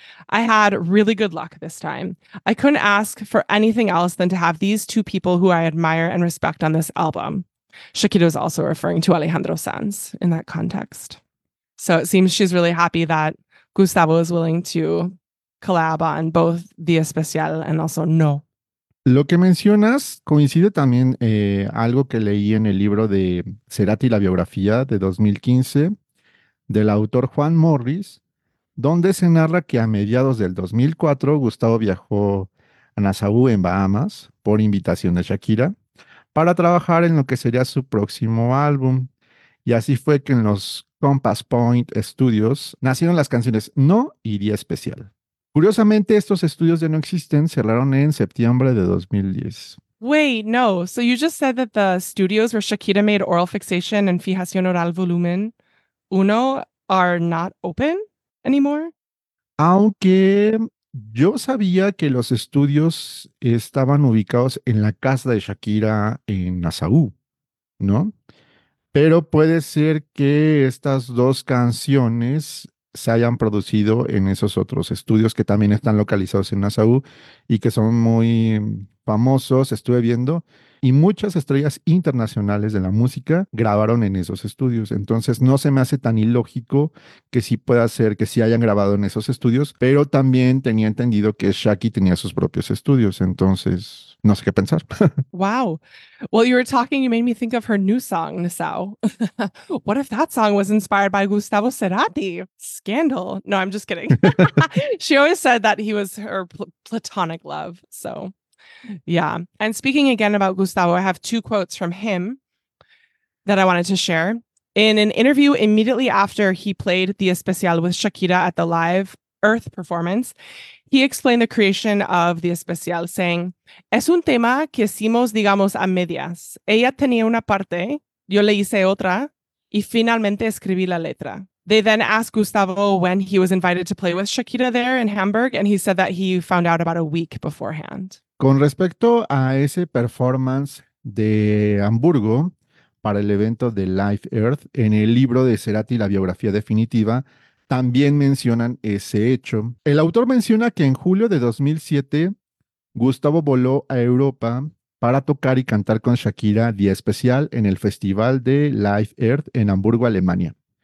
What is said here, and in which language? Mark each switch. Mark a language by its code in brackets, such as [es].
[en] I had really good luck this time. I couldn't ask for anything else than to have these two people who I admire and respect on this album. Shakira is also referring to Alejandro Sanz in that context. So it seems she's really happy that Gustavo is willing to collab on both the Especial and also No. [es] Lo que mencionas coincide también algo que leí en el libro de Cerati, la biografía de 2015, del autor Juan Morris, donde se narra que a mediados del 2004 Gustavo viajó a Nassau en Bahamas por invitación de Shakira para trabajar en lo que sería su próximo álbum. Y así fue que en los Compass Point Studios nacieron las canciones No y Día Especial. Curiosamente, estos estudios ya no existen, cerraron en septiembre de 2010. [en] Wait, no. So you just said that the studios where Shakira made Oral Fixation and Fijación Oral Volumen 1 are not open anymore? [es] Aunque yo sabía que los estudios estaban ubicados en la casa de Shakira en Nassau, ¿no? Pero puede ser que estas dos canciones se hayan producido en esos otros estudios que también están localizados en Nassau y que son muy famosos, estuve viendo, y muchas estrellas internacionales de la música grabaron en esos estudios. Entonces no se me hace tan ilógico que sí pueda ser que sí hayan grabado en esos estudios, pero también tenía entendido que Shaki tenía sus propios estudios, entonces no sé qué pensar. [en] Wow. Well, you were talking, you made me think of her new song, Nassau. What if that song was inspired by Gustavo Cerati? Scandal. No, I'm just kidding. She always said that he was her platonic love, so... Yeah. And speaking again about Gustavo, I have two quotes from him that I wanted to share. In an interview immediately after he played the Especial with Shakira at the Live Earth performance, he explained the creation of the Especial, saying, [es] es un tema que hicimos, digamos, a medias. Ella tenía una parte, yo le hice otra, y finalmente escribí la letra. [en] They then asked Gustavo when he was invited to play with Shakira there in Hamburg, and he said that he found out about a week beforehand. [es] Con respecto a ese performance de Hamburgo para el evento de Live Earth, en el libro de Cerati, la biografía definitiva, también mencionan ese hecho. El autor menciona que en julio de 2007, Gustavo voló a Europa para tocar y cantar con Shakira Día Especial en el festival de Live Earth en Hamburgo, Alemania.